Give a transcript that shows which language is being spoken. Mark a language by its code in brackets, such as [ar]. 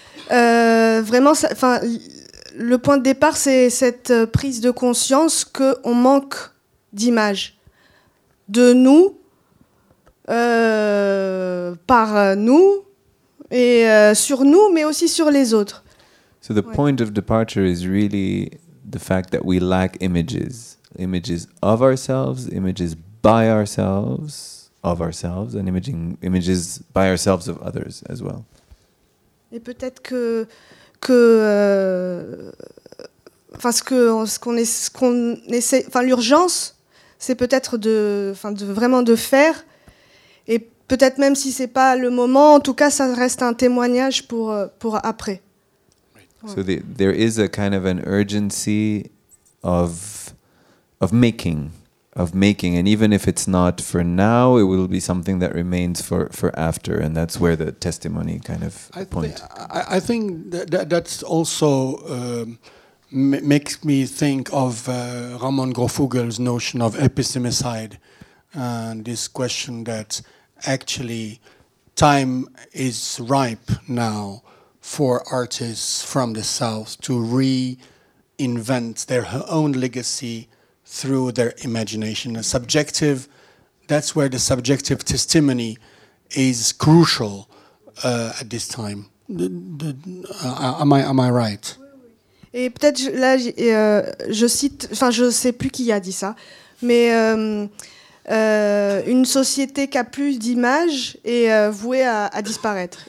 [fr] Vraiment, le point de départ, c'est cette prise de conscience qu'on manque d'image de nous, par nous, et sur nous, mais aussi sur les autres. [en] So the point of departure is really the fact that we lack images. Images of ourselves, images by ourselves, of ourselves, and images by ourselves of others as well. [fr] Et peut-être que l'urgence, c'est peut-être de vraiment faire, et peut-être même si c'est pas le moment, en tout cas ça reste un témoignage pour après. [en] So there is a kind of an urgency of making, and even if it's not for now, it will be something that remains for after, and that's where the testimony kind of points. I think that's also makes me think of Ramon Grofugel's notion of epistemicide, and this question that actually time is ripe now for artists from the South to reinvent their own legacy through their imagination. A subjective, that's where the subjective testimony is crucial at this time. Am I right? [fr] Et peut-être là, je cite, enfin, je sais plus qui a dit ça, mais une société qui a plus d'images est vouée à disparaître.